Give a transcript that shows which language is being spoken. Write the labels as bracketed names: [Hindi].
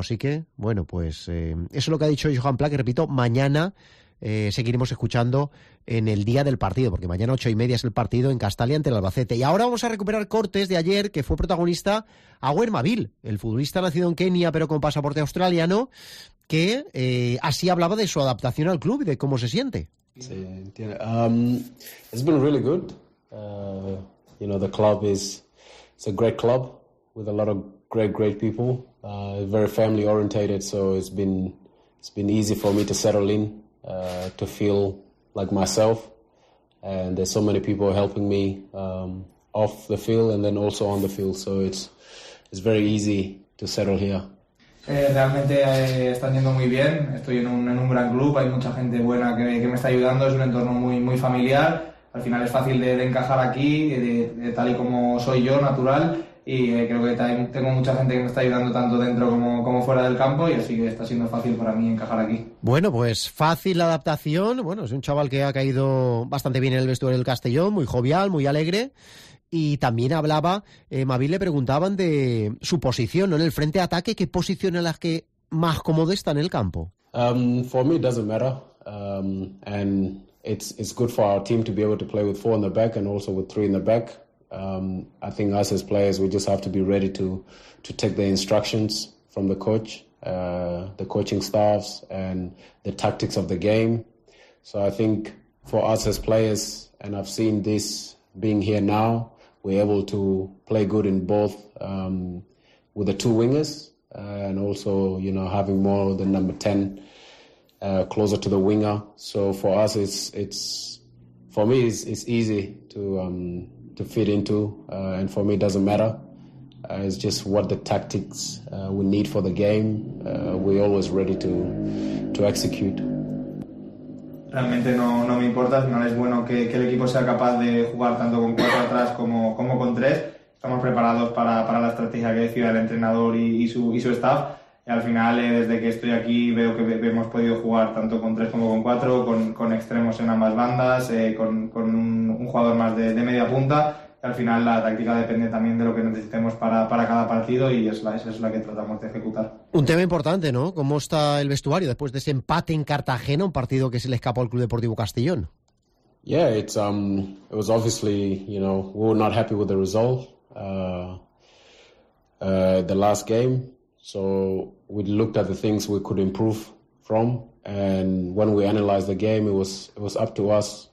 [Spanish] Así que, bueno, pues eso es lo que ha dicho Johan Plat, que repito, mañana seguiremos escuchando en el día del partido, porque mañana 8:30 es el partido en Castalia ante el Albacete. Y ahora vamos a recuperar cortes de ayer, que fue protagonista Aguer Mabil, el futbolista nacido en Kenia pero con pasaporte australiano, que así hablaba de su adaptación al club y de cómo se siente. Sí, entiendo. [English] It's been really good. You know, the club is it's a great club with a lot of great, great people. Very family orientated, so it's been easy for me to settle in, to feel like myself. And there's so many people helping me off the field and then also on the field, so it's very easy to settle here. [Spanish] Realmente están yendo muy bien. Estoy en un gran club, hay mucha gente buena que me está ayudando. Es un entorno muy muy familiar. Al final es fácil de encajar aquí, de tal y como soy yo, natural. Y creo que tengo mucha gente que me está ayudando tanto dentro como fuera del campo, y así que está siendo fácil para mí encajar aquí. Bueno, pues fácil la adaptación. Bueno, es un chaval que ha caído bastante bien en el vestuario del Castellón, muy jovial, muy alegre. Y también hablaba, Mavi, le preguntaban de su posición, ¿no?, en el frente de ataque. ¿Qué posición es la que más cómodo está en el campo? [English] For me, it doesn't matter. And it's good for our team to be able to play with four in the back and also with three in the back. I think us as players, we just have to be ready to take the instructions from the coach, the coaching staffs, and the tactics of the game. So I think for us as players, and I've seen this being here now, we're able to play good in both with the two wingers and also, you know, having more than number 10 closer to the winger. So for us, it's easy to fit into, and for me it doesn't matter. It's just what the tactics we need for the game. We're always ready to execute. [Spanish] Realmente no me importa, al final es bueno que el equipo sea capaz de jugar tanto con cuatro atrás como con tres. Estamos preparados para la estrategia que decida el entrenador y su staff. Y al final, desde que estoy aquí, veo que hemos podido jugar tanto con tres como con cuatro, con extremos en ambas bandas, con un jugador más de media punta. Y al final la táctica depende también de lo que necesitemos para cada partido, y esa es la que tratamos de ejecutar. Un tema importante, ¿no? ¿Cómo está el vestuario después de ese empate en Cartagena, un partido que se le escapó al Club Deportivo Castellón? [English] Yeah, it was obviously, you know, we were not happy with the result, the last game. So we looked at the things we could improve from, and when we analyzed the game, it was up to us.